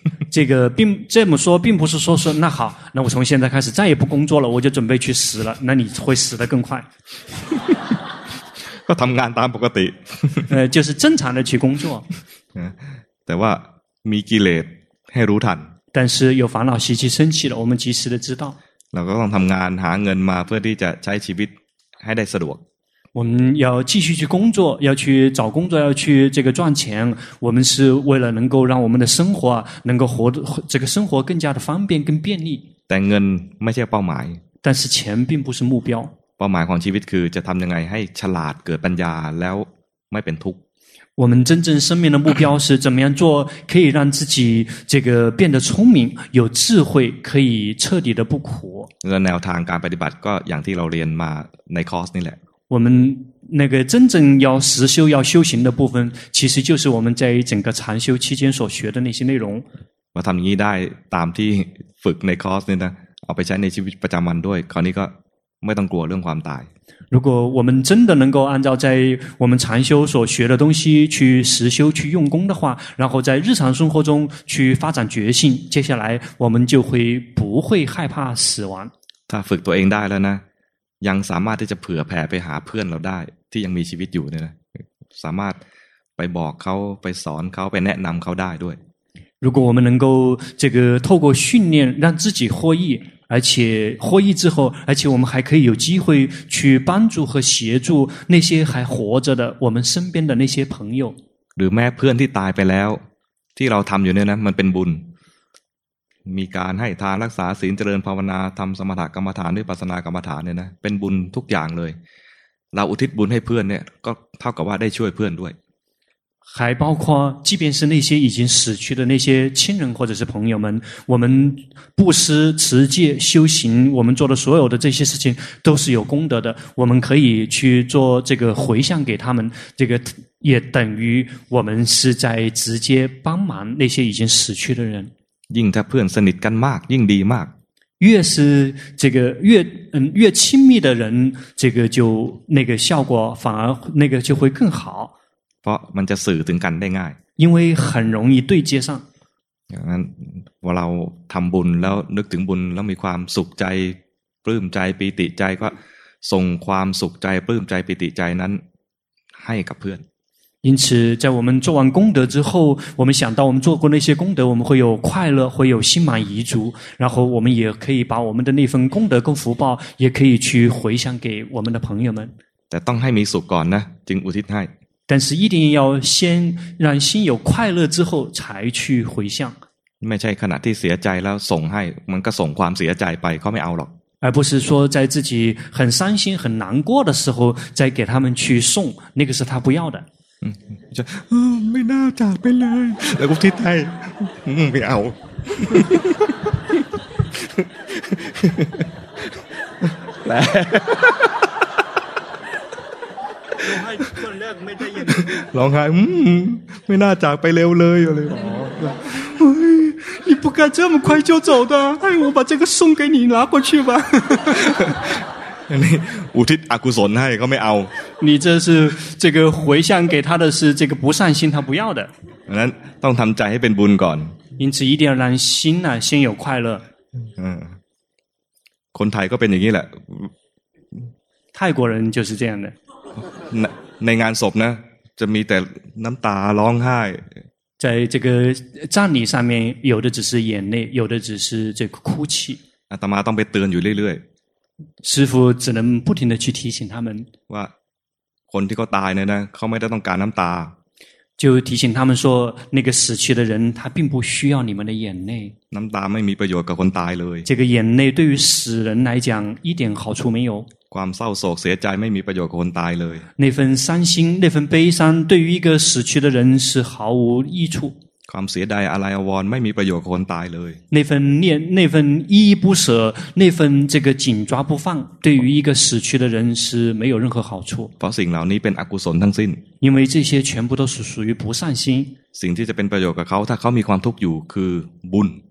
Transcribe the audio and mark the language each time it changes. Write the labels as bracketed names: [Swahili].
[Chinese] 这个并这么说并不是说那好那我从现在开始再也不工作了我就准备去死了那你会死得更快。 [Thai] ก็ทำงานตามปกติ [Chinese] 就是正常的去工作 [Thai] แต่ว่ามีกิเลสให้รู้ทัน [Chinese] 但是有烦恼习气生气了我们及时的知道 [Thai] เราก็ต้องทำงานหาเงินมาเพื่อที่จะใช้ชีวิตให้ได้สะดวก [Chinese] 我们要继续去工作要去找工作要去这个赚钱我们是为了能够让我们的生活能够活这个生活更加的方便更便利 [Thai] แต่เงินไม่ใช่เป้าหมาย [Chinese] 但是钱并不是目标 [Thai] เป้าหมายของชีวิตคือจะทำยังไงให้ฉลาดเกิดปัญญาแล้วไม่เป็นทุกข์ [Chinese] 我们真正生命的目标是怎么样做可以让自己这个变得聪明有智慧可以彻底的不苦 [Thai] แนวทางการปฏิบัติก็อย่างที่เราเรียนมาในคอร์สนี่แหละ [Chinese] 我们那个真正要实修要修行的部分其实就是我们在整个禅修期间所学的那些内容 [Thai] มาทำอย่างนี้ได้ตามที่ฝึกในคอร์สนี่นะเอาไปใช้ในชีวิตประจำวันด้วยคราวนี้ก็ไม่ต้องกลัวเรื่องความตาย [Chinese] 如果我们真的能够按照在我们禅修所学的东西去实修去用功的话然后在日常生活中去发展决心接下来我们就会不会害怕死亡 [Thai] ถ้าฝึกตัวเองได้แล้วนะยังสามารถที่จะเผื่อแผ่ไปหาเพื่อนเราได้ที่ยังมีชีวิตอยู่เนี่ยนะสามารถไปบอกเขาไปสอนเขาไปแนะนำเขาได้ด้วย [Chinese] 如果我们能够这个透过训练让自己获益而且获益之后而且我们还可以有机会去帮助和协助那些还活着的我们身边的那些朋友 [Thai] หรือแม้เพื่อนที่ตายไปแล้วที่เราทำอยู่เนี่ยนะมันเป็นบุญมีการให้ทานรักษาศีลเจริญภาวนาทำสมถกรรมฐานด้วยวิปัสสนากรรมฐานเนี่ยนะเป็นบุญทุกอย่างเลยเราอุทิศบุญให้เพื่อนเนี่ยก็เท่ากับว่าได้ช่วยเพื่อนด้วย [Chinese] 还包括即便是那些已经死去的那些亲人或者是朋友们，我们布施、持戒、修行，我们做的所有的这些事情都是有功德的，我们可以去做这个回向给他们，这个也等于我们是在直接帮忙那些已经死去的人。应该不能生你干嘛应你嘛。越是这个越越亲密的人，这个就那个效果反而那个就会更好。 [Thai] เพราะมันจะสื่อถึงกันได้ง่าย [Chinese] 因为很容易对接上 [Thai] อย่างนั้นว่าเราทำบุญแล้วนึกถึงบุญแล้วมีความสุขใจปลื้มใจปิติใจก็ส่งความสุขใจปลื้มใจปิติใจนั้นให้กับเพื่อน [Chinese] 因此在我们做完功德之后我们想到我们做过那些功德我们会有快乐会有心满意足然后我们也可以把我们的那份功德跟福报也可以去回向给我们的朋友们 [Thai] แต่ต้องให้มีสุขก่อนนะจึงอุทิศให้ [Chinese] 但是一定要先让心有快乐之后才去回向 [Thai] ไม่ใช่ขณะที่เสียใจแล้วส่งให้มันก็ส่งความเสียใจไปเขาไม่เอาหรอก [Chinese] 而不是说在自己很伤心很难过的时候再给他们去送那个是他不要的 [Thai] ไม่น่าจากไปเลยแล้วก็ทิ้งไปไม่เอา来ร้องไห้ไม่น่าจากไปเร็วเลยอะไร หรอ [Chinese] 你不该这么快就走的哎我把这个送给你拿过去吧 [Thai] นี่อุทิศอกุศลให้เขาไม่เอา [Chinese] 你这是这个回向给他的是这个不善心他不要的 [Thai] นั้นต้องทำใจให้เป็นบุญก่อน [Chinese] 因此一定要让心呢先有快乐 [Thai] คนไทยก็เป็นอย่างนี้แหละ [Chinese] 泰国人就是这样的 [Thai] ในงานศพนะจะมีแต่น้ำตาร้องไห้ ใน [Chinese] 这个葬礼上面有的只是眼泪有的只是这个哭泣 [Thai] อาตมาต้องไปเตือนอยู่เรื่อย [Chinese] ๆ师父只能不停的去提醒他们 [Thai] ว่าคนที่เขาตายเนี่ยนะเขาไม่ได้ต้องการน้ำตา [Chinese] 就提醒他们说那个死去的人他并不需要你们的眼泪 [Thai] น้ำตาไม่มีประโยชน์กับคนตายเลย [Chinese] 这个眼泪对于死人来讲一点好处没有 [Thai] ความเศร้าโศกเสียใจไม่มีประโยชน์กับคนตายเลย [Chinese] 那份伤心那份悲伤对于一个死去的人是毫无益处 [Thai] ความเสียดายอะไรอาวรณ์ไม่มีประโยชน์กับคนตายเลย [Chinese] 那份依依不舍那份这个紧抓不放对于一个死去的人是没有任何好处 [Thai] เพราะสิ่งเหล่านี้เป็นอกุศลทั้งสิ้น [Chinese] 因为这些全部都是属于不善心 [Thai] สิ่งที่จะเป็นประโยชน์กับเขาถ้าเขามีความทุกข์อยู่คือบุญ